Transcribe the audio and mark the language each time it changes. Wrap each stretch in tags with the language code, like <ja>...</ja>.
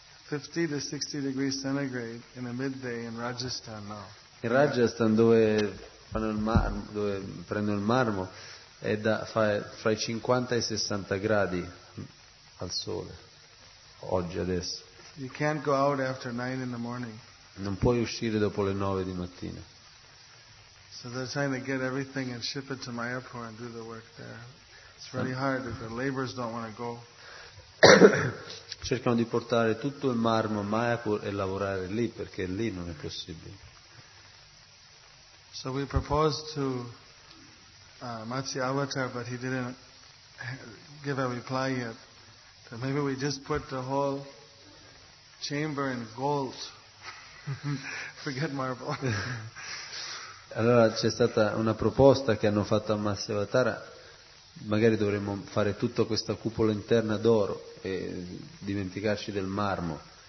<en>50 to 60 degrees centigrade in the midday in Rajasthan now.</en> <it>In Rajasthan dove fanno il marmo, dove prendono il marmo, è da fra i 50 e i 60 gradi al sole. Oggi, adesso.</it> <en>You can't go out after 9 in the morning.</en> <it>Non puoi uscire dopo le 9 di mattina.</it> <en>So they're trying to get everything and ship it to Mayapur and do the work there. It's really hard if the laborers don't want to go.</en> <it>Cercano di portare tutto il marmo a Mayapur e lavorare lì perché lì non è possibile.</it> <en>So we proposed to Matsya Avatar, but he didn't give a reply yet. So maybe we just put the whole chamber in gold. Forget marble.</en> <it>Allora c'è stata una proposta che hanno fatto a Matsya Avatar. Magari dovremmo fare tutta questa cupola interna d'oro e dimenticarci del marmo.</it>